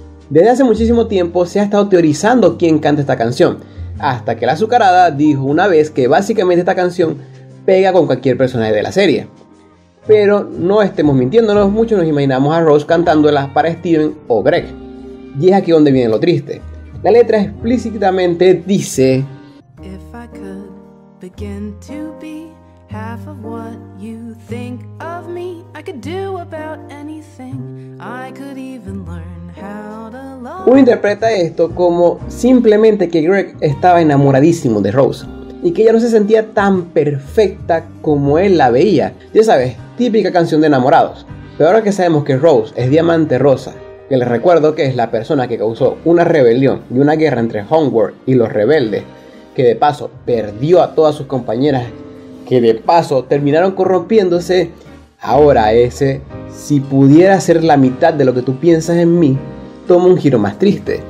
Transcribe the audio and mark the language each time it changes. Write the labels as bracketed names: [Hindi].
[Spanish] Desde hace muchísimo tiempo se ha estado teorizando quién canta esta canción. Hasta que la azucarada dijo una vez que básicamente esta canción pega con cualquier personaje de la serie. Pero no estemos mintiéndonos, muchos nos imaginamos a Rose cantándola para Steven o Greg. Y es aquí donde viene lo triste. La letra explícitamente dice: [English] If I could begin to be half of what you think of me, I could do about anything. I could even learn how to love. [Spanish] Uno interpreta esto como simplemente que Greg estaba enamoradísimo de Rose y que ella no se sentía tan perfecta como él la veía. Ya sabes, típica canción de enamorados. Pero ahora que sabemos que Rose es Diamante Rosa, que les recuerdo que es la persona que causó una rebelión y una guerra entre Homeworld y los rebeldes, que de paso perdió a todas sus compañeras, que de paso terminaron corrompiéndose, ahora ese, si pudiera ser la mitad de lo que tú piensas en mí, toma un giro más triste.